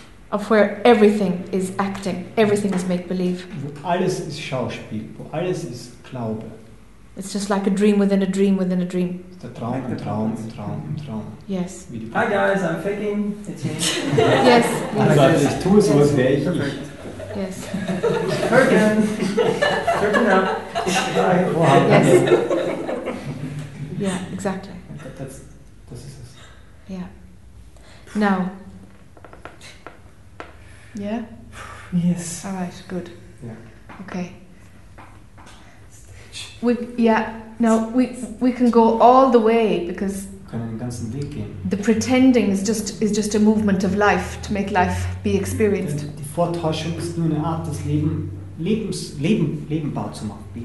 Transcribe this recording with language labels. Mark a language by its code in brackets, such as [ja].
[en] Of where everything is acting, everything is make believe. [de] Wo alles ist Schauspiel, wo alles ist Glaube. [en] It's just like a dream within a dream within a dream. [de] Der Traum im Traum im Traum im Traum. [en] Yes. Hi guys, I'm faking. Yes. [de] Ich tue so, als wäre ich. [en] Yes. Perkin. Perkin up. Yes. Yeah, exactly. That's it. Yeah. Now. Yeah? Yes. All right, good. Yeah. Okay. We can go all the way because the pretending is just a movement of life to make life be experienced. [de] Die Vortäuschung ist nur eine Art das Leben lebenbar zu machen.